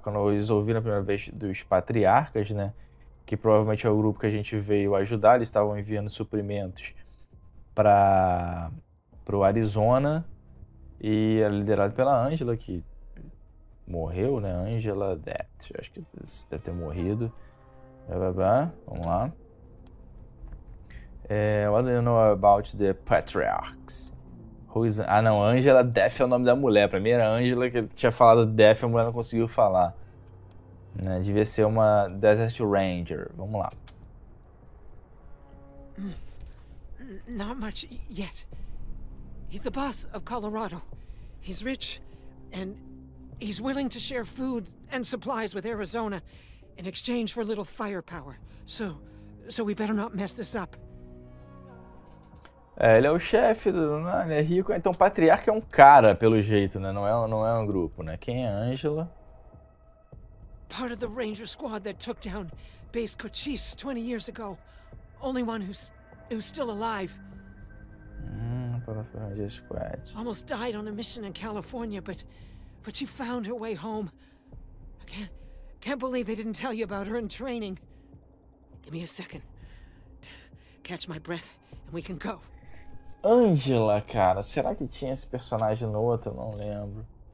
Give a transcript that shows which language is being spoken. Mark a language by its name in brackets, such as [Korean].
[Portuguese] Quando eles ouviram a primeira vez dos Patriarcas, né? Que provavelmente é o grupo que a gente veio ajudar. Eles estavam enviando suprimentos pro Arizona. E era liderado pela Angela, que morreu, né? Angela Death. Acho que deve ter morrido. Vamos lá. [English] What do you know about the Patriarchs? [Portuguese] Ah, não, Angela Death é o nome da mulher. Pra mim era Angela que tinha falado Death, a mulher não conseguiu falar. Né? Devia ser uma Desert Ranger. Vamos lá. [English] Not much yet. He's the boss of Colorado. He's rich and he's willing to share food and supplies with Arizona in exchange for a little firepower. So we better not mess this up. [Portuguese] Ele é o chefe, ele é rico. Então, o Patriarca é um cara, pelo jeito, né? Não é um grupo, né? Quem é Angela? [English] Part of the Ranger squad that took down Base Cochise 20 years ago. Only one who's still alive. Part of the Ranger squad. Almost died on a mission in California, but she found her way home. I can't believe they didn't tell you about her in training. Give me a second. Catch my breath and we can go. [Portuguese] Angela, cara, será que tinha esse personagem no outro? Eu não lembro.